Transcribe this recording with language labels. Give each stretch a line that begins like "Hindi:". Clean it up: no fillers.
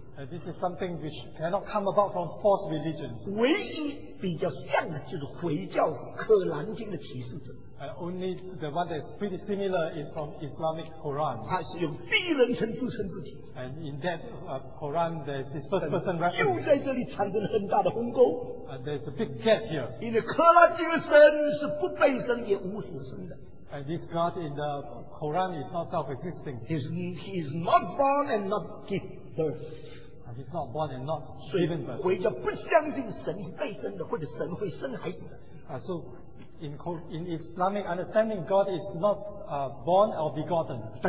English: And this is something which cannot come about from false religions.
Chinese: 唯一比较像的就是回教《可兰经》的启示者。
English: And only the one that is pretty similar is from Islamic Quran.
Chinese: 他是用第一人称自称自己。
English: And in that Quran, there is this first person reference.
Chinese: 又在这里产生了很大的鸿沟。
English: And there is a big gap here.
Chinese: 因为《可兰经》神是不被生也无所生的。
English: And this God in the Quran is not self-existing. He is not born and not give birth. He's not born and not given birth. So, in Islamic understanding, God is not born or begotten.